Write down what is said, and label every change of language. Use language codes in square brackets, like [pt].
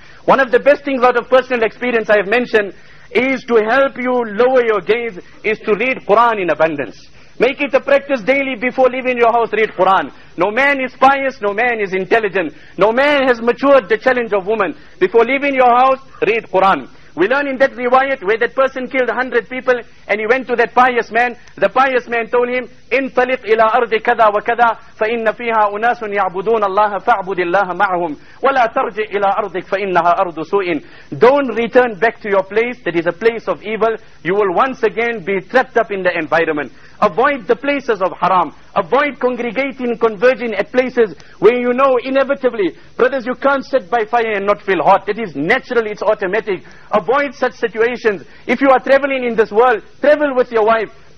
[en] One of the best things out of personal experience I have mentioned is to help you lower your gaze is to read Quran in abundance. Make it a practice daily before leaving your house, read Quran. No man is pious, no man is intelligent. No man has matured the challenge of woman. Before leaving your house, read Quran. We learn in that riwayat where that person killed 100 people and he went to that pious man. The pious man told him, [ar] انطلق إلى أرض كذا وكذا فإن فيها أناس يعبدون الله فاعبد الله معهم ولا ترجع إلى أرضك فإنها أرض سوء. [en] Don't return back to your place, that is a place of evil. You will once again be trapped up in the environment. Avoid the places of haram. Avoid congregating, converging at places where you know inevitably, brothers, you can't sit by fire and not feel hot. It is natural, it's automatic. Avoid such situations. If you are traveling in this world, travel with your wife.